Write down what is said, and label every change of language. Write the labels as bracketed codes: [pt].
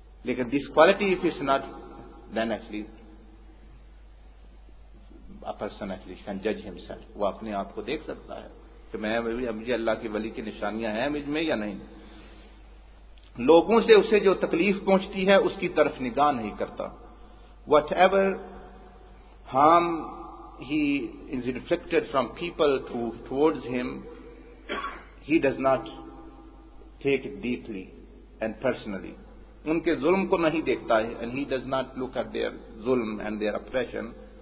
[ur] لیکن [en] this quality, if it's not, then actually a person actually can judge himself. [ur] وہ اپنے آپ کو دیکھ سکتا ہے کہ میں مجھے اللہ کے ولی کی نشانیاں ہیں مجھ میں یا نہیں. لوگوں سے اسے جو تکلیف پہنچتی ہے اس کی طرف نگاہ نہیں کرتا. [en] Whatever harm he is inflicted from people towards him, he does not take it deeply and personally. [ur] Unke zulm ko nahi dekhta hai, [en] and he does not look at their zulm and their oppression.